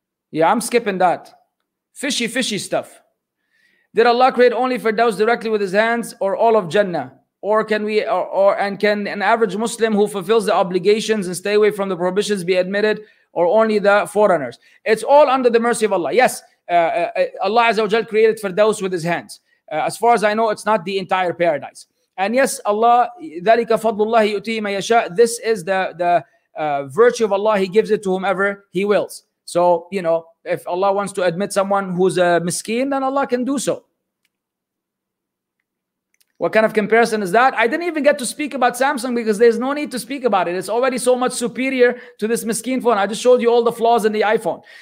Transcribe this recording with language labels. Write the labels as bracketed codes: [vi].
[en] Yeah, I'm skipping that. Fishy, fishy stuff. Did Allah create only Firdaus directly with his hands or all of Jannah? Can an average Muslim who fulfills the obligations and stay away from the prohibitions be admitted, or only the foreigners? It's all under the mercy of Allah. Yes, Allah Azza wa Jal created Firdaus with his hands. As far as I know, it's not the entire paradise. And yes, Allah, [ar] ذَلِكَ فَضْلُ اللَّهِ يُؤْتِيهِ مَنْ يَشَاءُ. [en] This is the virtue of Allah. He gives it to whomever he wills. So, you know, if Allah wants to admit someone who's a miskeen, then Allah can do so. What kind of comparison is that? I didn't even get to speak about Samsung because there's no need to speak about it. It's already so much superior to this miskeen phone. I just showed you all the flaws in the iPhone.